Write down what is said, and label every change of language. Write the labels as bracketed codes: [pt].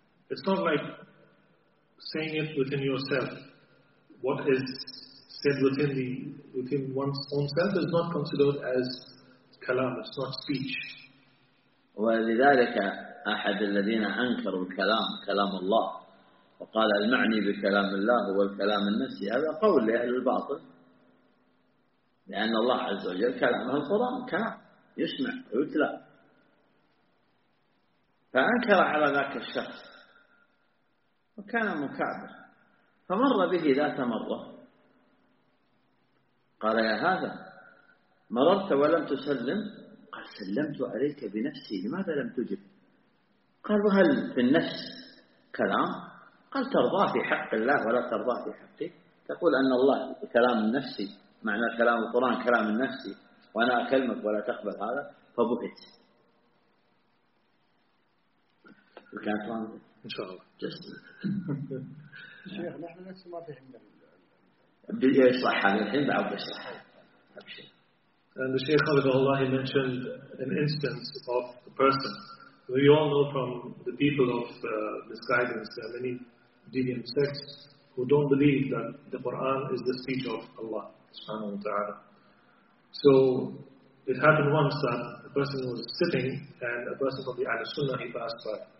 [en] It's not like saying it within yourself. What is said within one's own self is not considered as Kalam, it's not speech. [ar] ولذلك أحد الذين أنكروا الكلام كلام الله وقال المعني بكلام الله هو الكلام النفسي هذا قول لأهل الباطل لأن الله عز وجل كلامه القرآن كلام يسمع ويتلى فأنكر على ذاك الشخص وكان مكابر فمر به ذات مرة قال يا هذا مررت ولم تسلم سلمت عليك بنفسي لماذا لم تجب قال وهل في النفس كلام قال ترضى في حق الله ولا ترضى في حقي تقول أن الله كلام نفسي معنى كلام القرآن كلام نفسي وأنا أكلمك ولا تقبل هذا فبهت وكانت إن شاء الله شيخ نحن نفس ما فهم بدي يصرح هذا الحين بعد يصرح أبشر. [en] And the Shaykh Khalidullah, he mentioned an instance of a person. We all know from the people of misguidance, there are many deviant sects who don't believe that the Quran is the speech of Allah subhanahu wa ta'ala. So it happened once that a person was sitting and a person from the Ahlul Sunnah, he passed by.